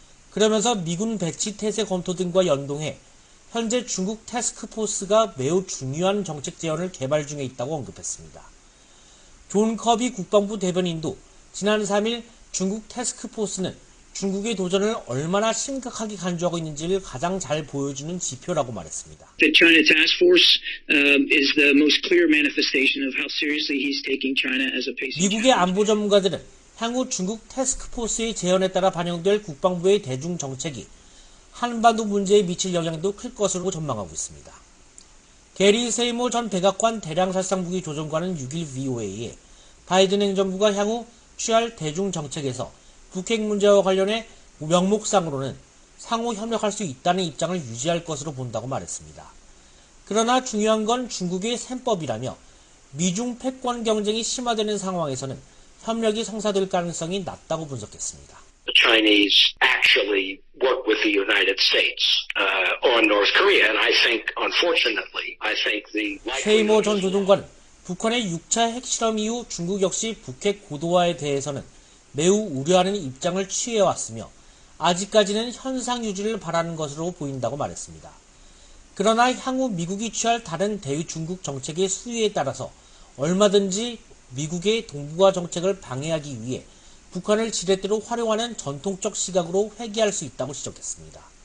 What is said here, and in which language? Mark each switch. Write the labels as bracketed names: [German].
[Korean] 그러면서 미군 배치 태세 검토 등과 연동해 현재 중국 태스크포스가 매우 중요한 정책 제언을 개발 중에 있다고 언급했습니다. 존 커비 국방부 대변인도 지난 3일 중국 태스크포스는 중국의 도전을 얼마나 심각하게 간주하고 있는지를 가장 잘 보여주는 지표라고 말했습니다. [English] The China Task Force is the most clear manifestation of how seriously he's taking China as a pacing. [Korean] 미국의 안보 전문가들은 향후 중국 태스크포스의 제언에 따라 반영될 국방부의 대중 정책이 한반도 문제에 미칠 영향도 클 것으로 전망하고 있습니다. 게리 세이모 전 백악관 대량살상무기 조정관은 6일 VOA에 바이든 행정부가 향후 취할 대중 정책에서 북핵 문제와 관련해 명목상으로는 상호 협력할 수 있다는 입장을 유지할 것으로 본다고 말했습니다. 그러나 중요한 건 중국의 셈법이라며 미중 패권 경쟁이 심화되는 상황에서는 협력이 성사될 가능성이 낮다고 분석했습니다. [English] The Chinese actually work with the United States on North Korea, and I think, unfortunately, I think the. [Korean] 세이머 전 조정관, 북한의 6차 핵실험 이후 중국 역시 북핵 고도화에 대해서는 매우 우려하는 입장을 취해왔으며 아직까지는 현상 유지를 바라는 것으로 보인다고 말했습니다. 그러나 향후 미국이 취할 다른 대외 중국 정책의 수위에 따라서 얼마든지 미국의 동북아 정책을 방해하기 위해 북한을 지렛대로 활용하는 전통적 시각으로 회귀할 수 있다고 지적했습니다.